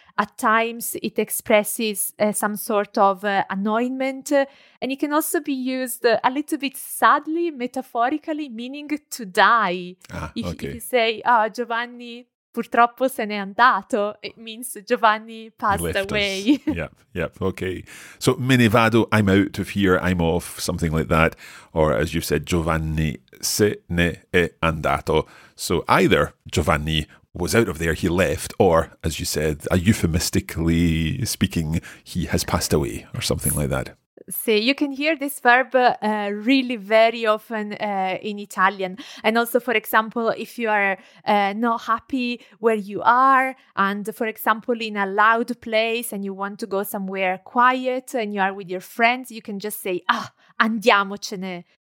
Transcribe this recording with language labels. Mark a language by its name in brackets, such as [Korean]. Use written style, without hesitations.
[English] At times it expresses some sort of annoyance, and it can also be used a little bit sadly, metaphorically, meaning to die. Ah, if, okay. If you say, oh, [Italian] Giovanni purtroppo se n'è andato, [English] it means Giovanni passed away. Yep, okay. So [Italian] me ne vado, [English] I'm out of here, I'm off, something like that. Or as you said, [Italian] Giovanni se ne è andato. [English] So either Giovanni was out of there, he left, or, as you said, euphemistically speaking, he has passed away, or something like that. See, you can hear this verb really very often in Italian. And also, for example, if you are not happy where you are, and for example, in a loud place and you want to go somewhere quiet and you are with your friends, you can just say, ah, [Italian] andiamocene.